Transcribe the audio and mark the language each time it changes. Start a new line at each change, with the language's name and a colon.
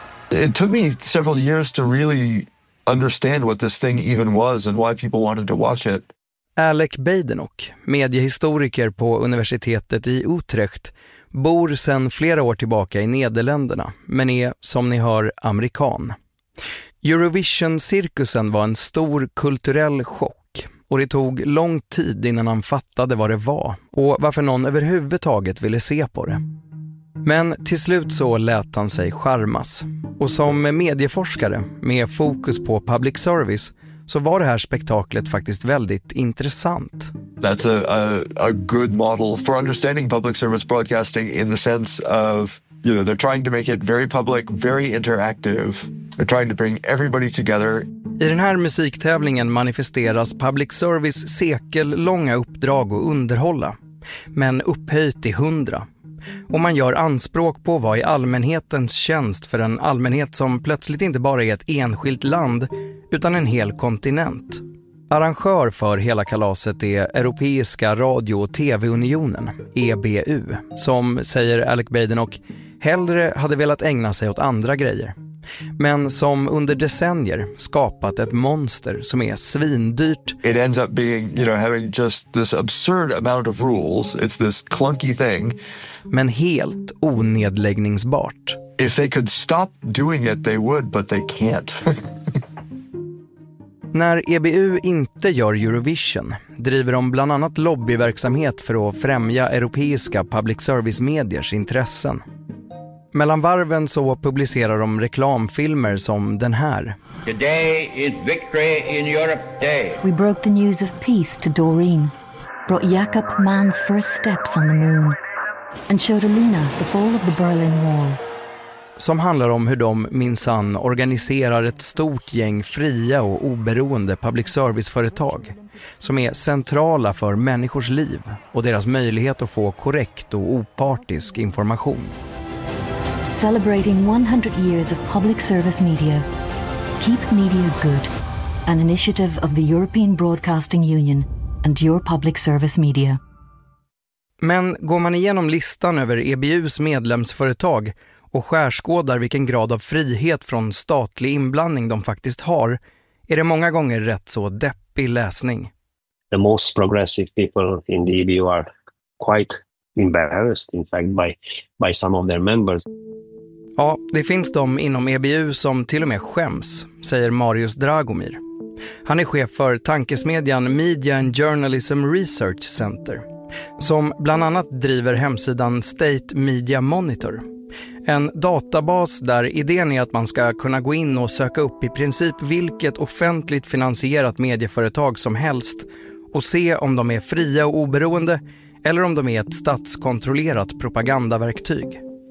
English: It took me several years to really understand what this thing even was and why people wanted to watch it.
Swedish: Alec Badenoch, mediehistoriker på universitetet i Utrecht, bor sedan flera år tillbaka i Nederländerna, men är, som ni hör, amerikan. Eurovision-cirkusen var en stor kulturell chock och det tog lång tid innan han fattade vad det var och varför någon överhuvudtaget ville se på det. Men till slut så lät han sig charmas. Och som medieforskare med fokus på public service så var det här spektaklet faktiskt väldigt intressant.
English: That's a good model for understanding public service broadcasting in the sense of, you know, they're trying to make it very public, very interactive. They're trying to bring everybody together.
Swedish: I den här musiktävlingen manifesteras public service sekellånga uppdrag att underhålla, men upphöjt i 100. Och man gör anspråk på vad i allmänhetens tjänst för en allmänhet som plötsligt inte bara är ett enskilt land utan en hel kontinent. Arrangör för hela kalaset är Europeiska Radio- och TV-unionen, EBU, som, säger Alec Badenoch, hellre hade velat ägna sig åt andra grejer. Men som under decennier skapat ett monster som är svindyrt.
English: It ends up being, you know, having just this absurd amount of rules. It's this clunky thing.
Swedish: Men helt onedläggningsbart.
English: If they could stop doing it they would, but they can't.
Swedish: När EBU inte gör Eurovision driver de bland annat lobbyverksamhet för att främja europeiska public service mediers intressen. Mellan varven så publicerar de reklamfilmer som den här.
English: Today is victory in Europe day. We broke the news of peace to Doreen. Brought Jakob man's first steps on the moon. And showed Alina the fall of the Berlin Wall.
Swedish: Som handlar om hur de minsann organiserar ett stort gäng fria och oberoende public service-företag. Som är centrala för människors liv och deras möjlighet att få korrekt och opartisk information.
English: Celebrating 100 years of public service media. Keep media good. An initiative of the European Broadcasting Union and your public service media.
Swedish: Men går man igenom listan över EBU:s medlemsföretag och skärskådar vilken grad av frihet från statlig inblandning de faktiskt har, är det många gånger rätt så deppig läsning.
English: The most progressive people in the EBU are quite embarrassed in fact by some of their members.
Swedish: Ja, det finns de inom EBU som till och med skäms, säger Marius Dragomir. Han är chef för tankesmedjan Media and Journalism Research Center, som bland annat driver hemsidan State Media Monitor, En databas där idén är att man ska kunna gå in och söka upp i princip vilket offentligt finansierat medieföretag som helst och se om de är fria och oberoende eller om de är ett statskontrollerat propagandaverktyg.